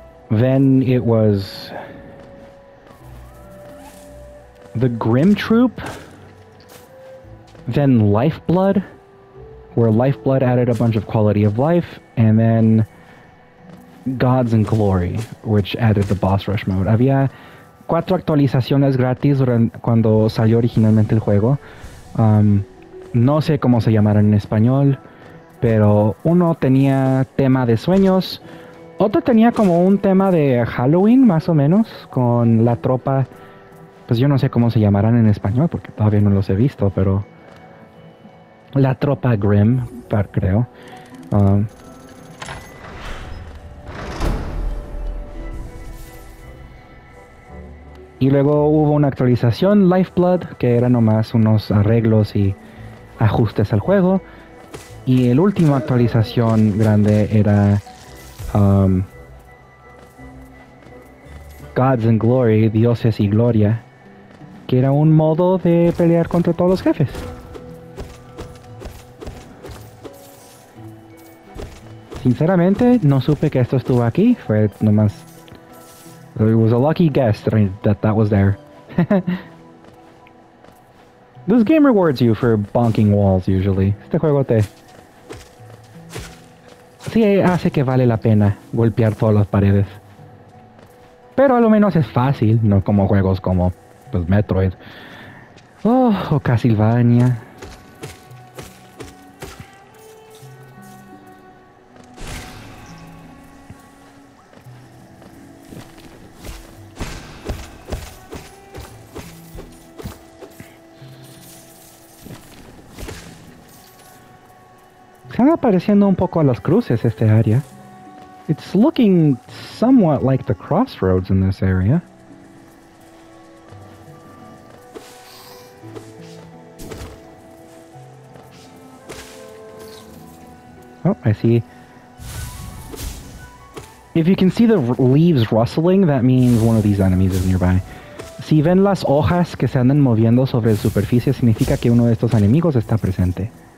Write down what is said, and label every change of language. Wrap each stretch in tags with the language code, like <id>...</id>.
<en>Then it was... The Grim Troop. Then Lifeblood, where Lifeblood added a bunch of quality of life. And then... Gods and Glory, which added the boss rush mode.</en> <es>Había cuatro actualizaciones gratis cuando salió originalmente el juego. No sé cómo se llamaron en español, pero uno tenía tema de sueños, otro tenía como un tema de Halloween, más o menos, con la tropa. Pues yo no sé cómo se llamarán en español, porque todavía no los he visto, pero... La tropa Grim, creo. Y luego hubo una actualización, Lifeblood, que era nomás unos arreglos y ajustes al juego. Y el último actualización grande era Gods and Glory, Dioses y Gloria, que era un modo de pelear contra todos los jefes. Sinceramente, no supe que esto estuvo aquí, fue nomás...</es> <en>It was a lucky guess that was there. This game rewards you for bonking walls, usually.</en> <es>Este juego te... Sí, hace que vale la pena golpear todas las paredes. Pero a lo menos es fácil, no como juegos como, pues, Metroid. Oh, o Castlevania. Pareciendo un poco a las cruces este área.</es> <en>It's looking somewhat like the crossroads in this area. Oh, I see. If you can see the leaves rustling, that means one of these enemies is nearby.</en> <es>Si ven las hojas que se andan moviendo sobre la superficie, significa que uno de estos enemigos está presente.</es>